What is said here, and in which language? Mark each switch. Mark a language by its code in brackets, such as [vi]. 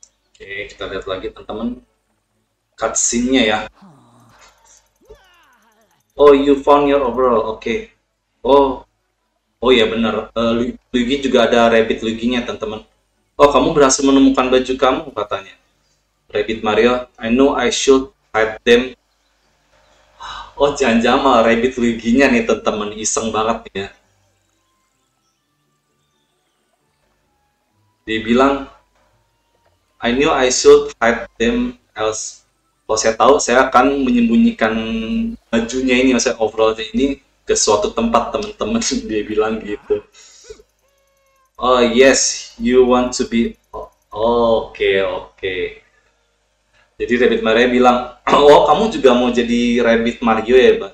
[id] Oke, kita lihat lagi teman-teman cutscene-nya ya. [en] Oh, you found your overall. Oke. Oh. [id] Oh ya benar. Luigi juga ada Rabbit Luigi-nya teman-teman. Oh, kamu berhasil menemukan baju kamu katanya. Rabbit Mario, [en] I know I should hide them. [id] Oh, jangan-jangan malah Rabbit Luigi-nya nih teman-teman, iseng banget ya. Dia bilang, [en] I knew I should hide them else. [id] Kalau saya tahu, saya akan menyembunyikan bajunya ini, maksudnya overallnya ini, ke suatu tempat, teman-teman. Dia bilang gitu. [en] Oh, yes, you want to be... [id] Oke. Jadi, Rabbit Mario bilang, oh, kamu juga mau jadi Rabbit Mario ya, Pak?